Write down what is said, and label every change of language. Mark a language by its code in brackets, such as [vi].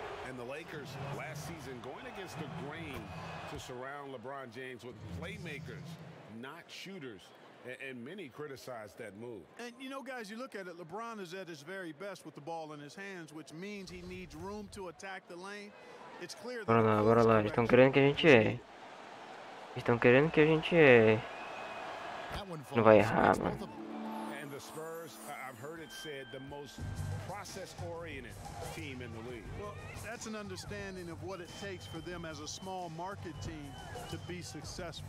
[en] And the Lakers last season going against the grain to surround LeBron James with playmakers, not shooters. And many criticized that move. And you know, guys, you look at it, LeBron is at his very best with the ball in his hands, which means he needs room to attack the lane. It's clear that. [pt] Bora lá, estão querendo que a gente erre. Estão querendo que a gente erre. Não vai errar, mano. [en] And the Spurs, I've heard it said, the most process-oriented team in the league. Well, that's an understanding of what it takes for them as a small market team to be successful.